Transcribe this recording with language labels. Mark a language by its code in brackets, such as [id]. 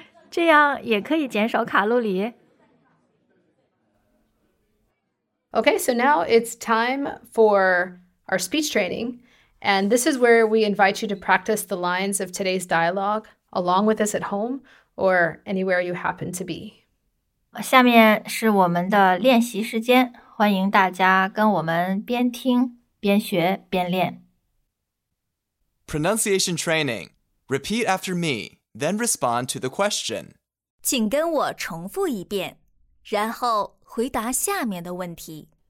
[zh] 这样也可以减少卡路里。 [en] Okay, so now it's time for our speech training. And this is where we invite you to practice the lines of today's dialogue along with us at home or anywhere you happen to be. [zh] 下面是我们的练习时间，欢迎大家跟我们边听边学边练。 [en] Pronunciation training. Repeat after me. Then respond to the question. [zh] 请跟我重复一遍，然后回答下面的问题。